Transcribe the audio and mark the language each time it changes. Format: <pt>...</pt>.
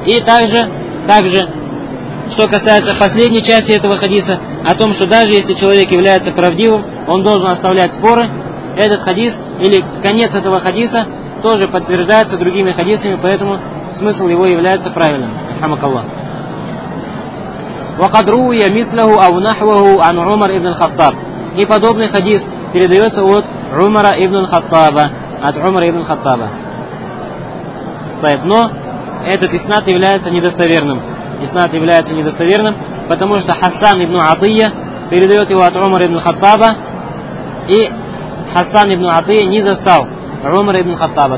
<ru>И также, что касается последней части этого хадиса, о том, что даже если человек является правдивым, он должен оставлять споры, этот хадис или конец этого хадиса тоже подтверждается другими хадисами, поэтому смысл его является правильным. Рахмакаллах.</ru> <ar>وقد روي مثله أو نحوه عن عمر ابن الخطاب.</ar> <ru>И подобный хадис передается от Умара ибн Хаттаба, от Умара ибн Хаттаба. Но этот иснад является недостоверным. Иснад является недостоверным, потому что Хасан ибн Атия передает его от Умара ибн Хаттаба, и Хасан ибн Атия не застал Умара ибн Хаттаба.</ru>